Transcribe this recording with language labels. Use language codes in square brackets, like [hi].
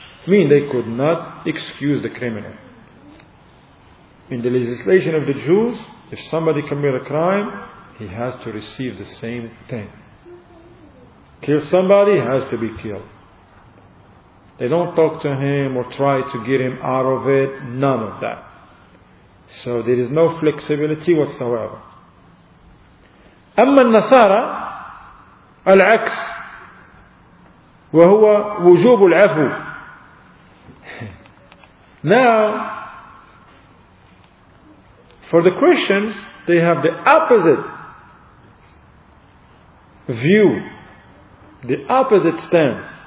[en] Mean they could not excuse the criminal. In the legislation of the Jews, if somebody commit a crime, he has to receive the same thing. Kill somebody, has to be killed. They don't talk to him or try to get him out of it, none of that. So there is no flexibility whatsoever. [ar] أما النصارى العكس وهو وجوب العفو. [en] Now, for the Christians, they have the opposite view, the opposite stance.